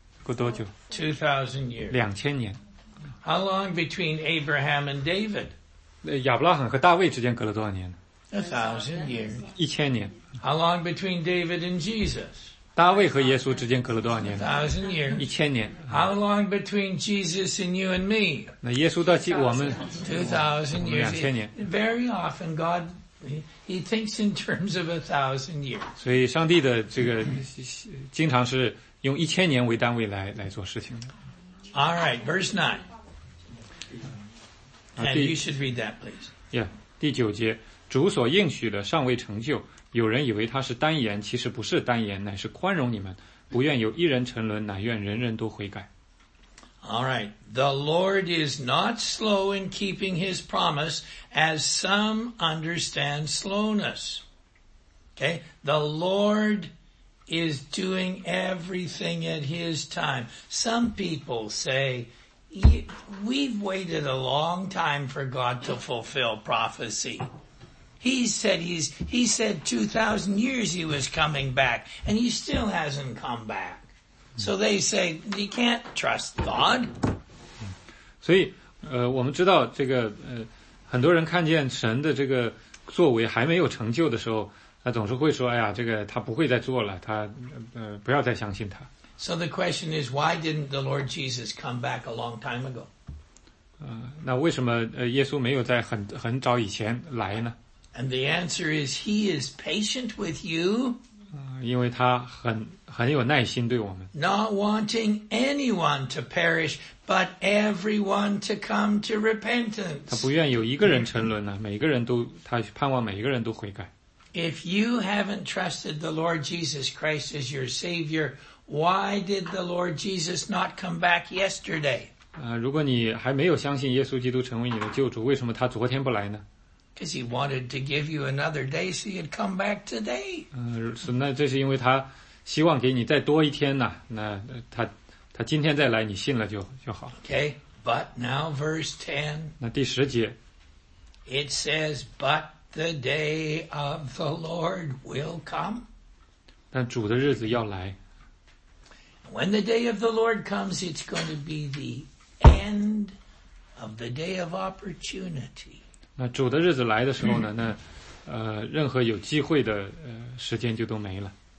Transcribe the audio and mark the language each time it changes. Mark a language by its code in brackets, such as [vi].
[zh] 过多久？ [en] 2,000 years. [zh] 2,000 年。 [en] How long between Abraham and David? [zh] 亚伯拉罕和大卫之间隔了多少年？ [en] 1,000 years. [zh] 1,000 年。 [en] How long between David and Jesus? [zh] 大卫和耶稣之间隔了多少年？ [en] 1,000 years. [zh] 1,000 年。 [en] How long between Jesus and you and me? [zh] 那耶稣到我们？ [en] 2,000 years. [zh] 2,000 年。 [en] Very often God... He thinks in terms of 1,000 years. [zh] 所以上帝的这个经常是用1,000年为单位来做事情的。 [en] All right, verse 9. And you should read that, please. [zh] Yeah, 第九节，主所应许的尚未成就，有人以为他是单言，其实不是单言，乃是宽容你们，不愿有一人沉沦，乃愿人人都悔改。 [en] All right. The Lord is not slow in keeping his promise as some understand slowness. Okay. The Lord is doing everything at his time. Some people say, we've waited a long time for God to fulfill prophecy. He said 2,000 years he was coming back and he still hasn't come back. So they say, you can't trust God. [zh] 所以我们知道这个很多人看见神的这个作为还没有成就的时候，他总是会说，哎呀，这个他不会再做了，他不要再相信他。 [en] So the question is, why didn't the Lord Jesus come back a long time ago? [zh] 那为什么耶稣没有在很早以前来呢？ [en] And the answer is, he is patient with you. [zh] 因为他很有耐心对我们。 [en] Not wanting anyone to perish, but everyone to come to repentance. [zh] 他不愿有一个人沉沦呢，每个人都，他盼望每一个人都悔改。 [en] If you haven't trusted the Lord Jesus Christ as your Savior, why did the Lord Jesus not come back yesterday? [zh] 如果你还没有相信耶稣基督成为你的救主，为什么他昨天不来呢？ [en] Because he wanted to give you another day so you'd come back today. [zh] 那这是因为他希望给你再多一天呢，那他今天再来，你信了就好。 [en] Okay, but now verse 10. [zh] 那第十节。 [en] It says, but the day of the Lord will come. [zh] 但主的日子要来。 [en] When the day of the Lord comes, it's going to be the end of the day of opportunity. [zh] 那主的日子来的时候呢，那任何有机会的时间就都没了。